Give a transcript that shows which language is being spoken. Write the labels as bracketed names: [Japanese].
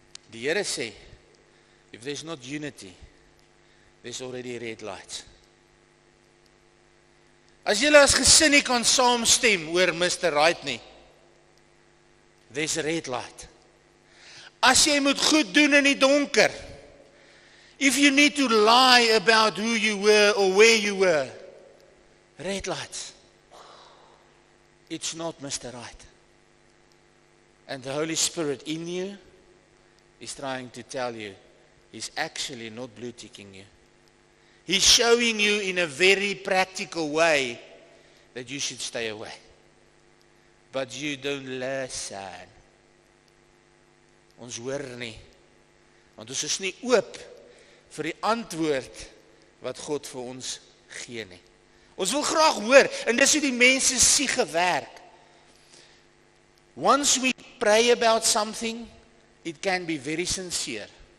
[Afrikaans] Die Here sê, [English] if there's not unity, there's already red lights. [Afrikaans] As jy as gesin nie kan saamstem oor Mr. [English] Right [Afrikaans] nie, [English] there's a red light. [Afrikaans] As jy moet goed doen in die donker, [English] if you need to lie about who you were or where you were, red light. It's not Mr. Right. And the Holy Spirit in you is trying to tell you, he's actually not blue-ticking you. He's showing you in a very practical way that you should stay away. But you don't listen. [Afrikaans] Ons hoor nie, want ons is nie oop vir die antwoord wat God vir ons gee nie. Ons wil graag hoor, en dis hoe die mense sien gewerk. [English] Once we pray about something, it can be very sincere.